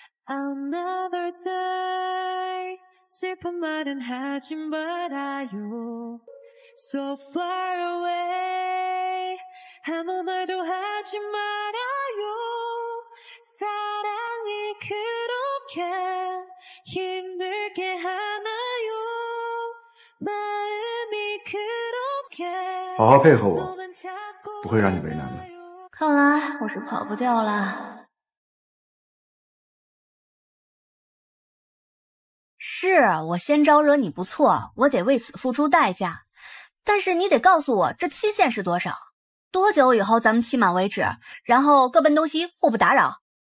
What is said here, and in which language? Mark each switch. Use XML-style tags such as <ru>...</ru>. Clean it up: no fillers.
<en>Another day, super modern hatching, but are you so far away?</en> <ko>아무 말도 하지 말아요. 사랑이 그렇게 힘들게 하나요? 마음이 그렇게.</ko> <zh>好好配合我，不会让你为难的。看来我是跑不掉了。是我先招惹你不错，我得为此付出代价，但是你得告诉我这期限是多少，多久以后咱们期满为止，然后各奔东西，互不打扰。</zh>